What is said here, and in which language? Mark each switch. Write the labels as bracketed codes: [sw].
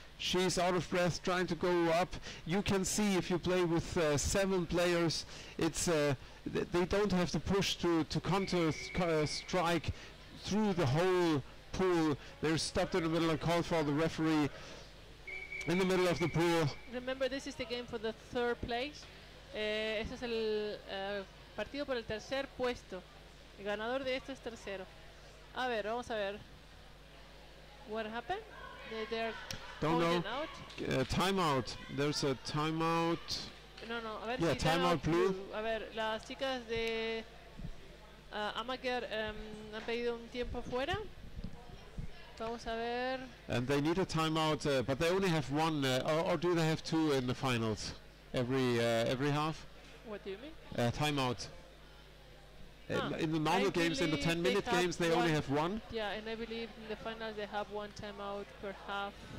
[en] She's out of breath trying to go up. You can see if you play with seven players, it's they don't have to push to counter strike through the whole pool. They're stopped in the middle and called for the referee in the middle of the pool. Remember, this is the game for the third place. [es] Este es el partido por el tercer puesto. El ganador de esto es tercero. A ver, vamos a ver. [en] What happened? They're don't know. Out. Timeout. There's a timeout. [es] No, no. A ver, [en] yeah, [es] si [en] timeout blue. [es] A ver, las chicas de Amager han pedido un tiempo fuera. Vamos a ver. [en] And they need a timeout, but they only have one, or do they have two in the finals? Every half? What do you mean? Timeout. In the normal games, in the 10-minute games, they only have one. Yeah, and I believe in the finals they have one timeout per half.